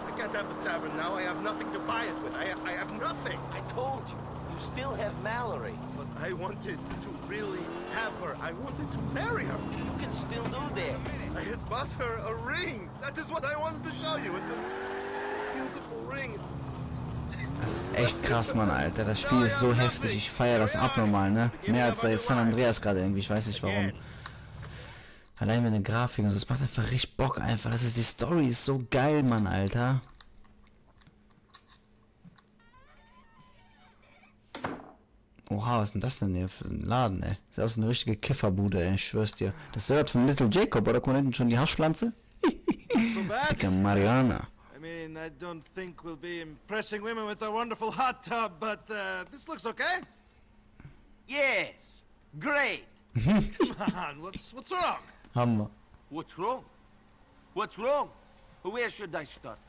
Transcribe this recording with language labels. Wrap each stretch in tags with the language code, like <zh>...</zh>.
<en>I can't have the tavern now. I have nothing to buy it with. I have nothing. I told you. You still have Mallory. But I wanted to really have her. I wanted to marry her. You can still do that. I had bought her a ring. That is what I wanted to show you. It was beautiful ring.</en> <de>Das ist echt krass, Mann, Alter. Das Spiel ist so heftig. Ich feiere das abnormal, ne? Mehr als der San Andreas gerade irgendwie. Ich weiß nicht warum. Allein mit der Grafik und so. Das macht einfach richtig Bock, einfach. Das ist, die Story ist so geil, Mann, Alter. Oha, was ist denn das denn hier für ein Laden, ey? Sieht aus wie eine richtige Kifferbude, ey. Ich schwör's dir. Das gehört von Little Jacob, oder? Guck mal hinten schon die Haschpflanze. Dicke Mariana.</de> <en>I mean, I don't think we'll be impressing women with a wonderful hot tub, but this looks okay. Yes, great. Come on, what's wrong?</en> <de>Hammer.</de> <en>What's wrong? What's wrong? Where should I start?</en>